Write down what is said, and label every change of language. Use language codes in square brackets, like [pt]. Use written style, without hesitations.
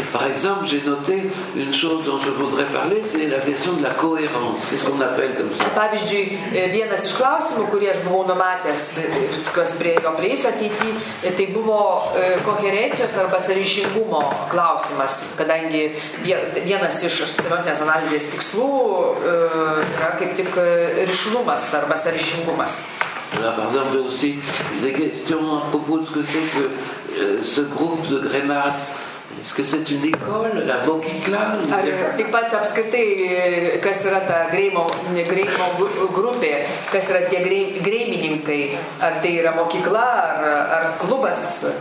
[fr] Par exemple, j'ai noté une chose dont je voudrais parler, c'est la question de la cohérence. Qu'est-ce qu'on appelle comme ça? [lt] Pavyzdžiui, vienas iš klausimų, kurį aš buvau numatęs, kas prie jo prieisiu ateity, tai buvo koherencijos arba sąryšingumo klausimas, kadangi vienas iš semiotinės analizės tikslų yra kaip tik ryšlumas arba sąryšingumas. [fr] là, par exemple, aussi des questions à propos de ce que c'est que ce groupe de Grémas. Est-ce que c'est une école, la mokykla? [lt] Ar taip pat apskritai, kas yra ta greimo grupė, kas yra tie greimininkai, ar tai yra mokykla, ar klubas?